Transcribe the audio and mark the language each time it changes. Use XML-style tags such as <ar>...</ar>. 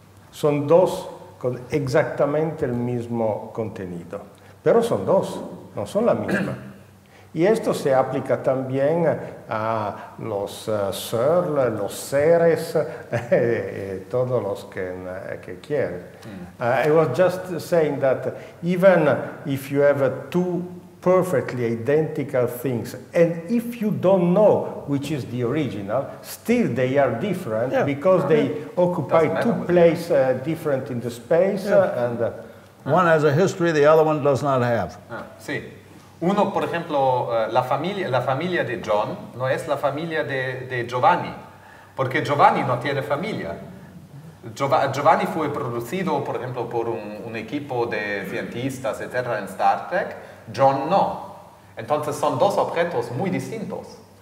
<es>Son dos con exactamente el mismo contenido. Pero son dos, no son la misma. Y esto se aplica también a los Searle, los Ceres, todos los que quieren.</es> <en>I was just saying that even if you have two perfectly identical things, and if you don't know which is the original, still they are different yeah. because they occupy two places different in the space. Yeah. And One has a history, the other one does not have.</en> <es>Sí. Uno, por ejemplo, la familia de John no es la familia de Giovanni, porque Giovanni no tiene familia. Giovanni fue producido, por ejemplo, por un equipo de cientistas, etc., en Star Trek. John no. Entonces son dos objetos muy distintos.</es>